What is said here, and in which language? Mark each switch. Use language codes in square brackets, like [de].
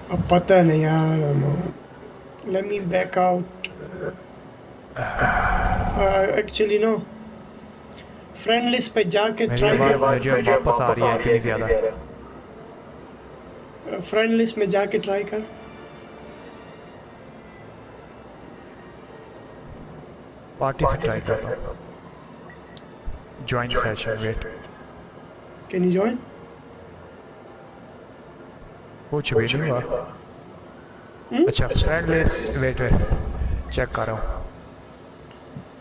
[hi] पता नहीं यार [en] let me back out actually no friend list पे जाके try कर [hi] वापस आ रही है इतनी ज़्यादा friend list में जाके try कर party से try करता हूँ [en] join session wait can you join [hi] कुछ भी नहीं हुआ अच्छा friend list wait wait check कर रहा हूँ